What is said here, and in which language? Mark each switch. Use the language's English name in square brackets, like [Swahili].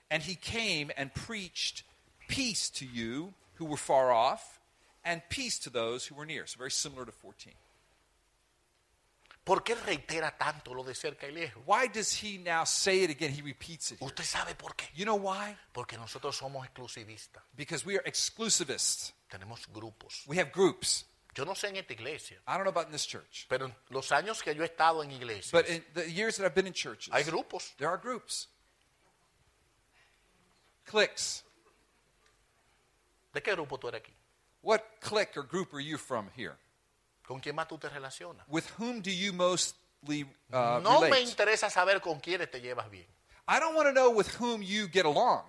[English] And he came and preached peace to you who were far off and peace to those who were near. So very similar to 14. [Spanish] ¿Por qué reitera tanto lo de cerca y lejos? [English] Why does he now say it again? He repeats it. [Spanish] ¿Usted sabe por qué? [English] You know why? [Spanish] Porque nosotros somos exclusivistas. [English] Because we are exclusivists. [Spanish] Tenemos grupos. [English] We have groups. [Spanish] Yo no sé en esta iglesia. [English] I don't know about in this church. [Spanish] Pero los años que yo he estado en iglesias. [English] But in the years that I've been in churches. [Spanish] Hay grupos. [English] There are groups. Cliques. [Spanish] ¿De qué grupo tú eres aquí? [English] What clique or group are you from here? [Spanish] ¿Con quién más tú te relacionas? [English] With whom do you mostly [Spanish] no [English] relate? [Spanish] Me interesa saber con quiénes te llevas bien. [English] I don't want to know with whom you get along.